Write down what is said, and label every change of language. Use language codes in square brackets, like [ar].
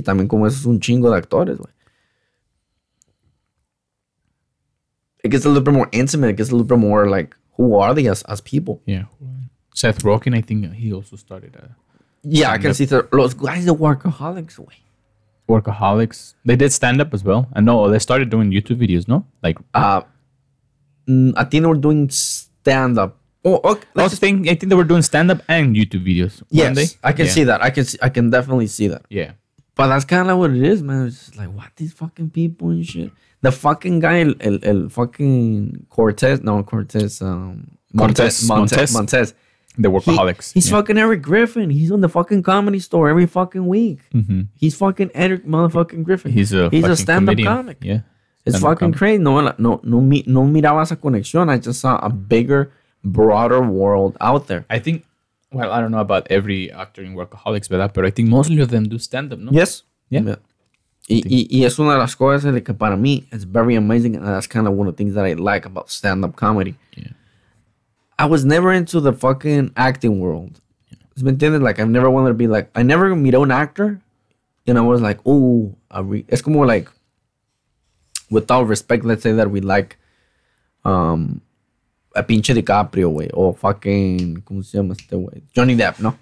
[es] También como es un chingo de actores, güey. [en] It gets a little bit more intimate. It gets a little bit more like, who are they as people? Yeah. Seth Rogen, I think he also started. I can see los guys are workaholics, güey. Workaholics. They did stand up as well. And no, they started doing YouTube videos, no? Like I think they were doing stand up. Oh, okay. I think they were doing stand up and YouTube videos. Yes. They? I can see that. I can definitely see that. Yeah. But that's kinda what it is, man. It's just like, what these fucking people and shit? The fucking guy el fucking Montez. The workaholics. He's fucking Eric Griffin. He's on the fucking Comedy Store every fucking week. Mm-hmm. He's fucking Eric motherfucking Griffin. He's a stand-up comic. Yeah. It's fucking crazy. [es] No, miraba esa conexión. [en] I just saw a bigger, broader world out there. I think, well, I don't know about every actor in workaholics, ¿verdad? But I think mostly of them do stand-up, ¿no? Yes. Yeah. [es] Y es una de las cosas que para mí es [en] very amazing. And that's kind of one of the things that I like about stand-up comedy. Yeah. I was never into the fucking acting world. Yeah. [es] ¿Me entiendes? [en] Like, I've never wanted to be like, I never met an actor. And I was like, oh, it's como like, without respect, let's say that we like a pinche DiCaprio, way, or fucking, [es] ¿cómo se llama este [en] way? Johnny Depp, ¿no?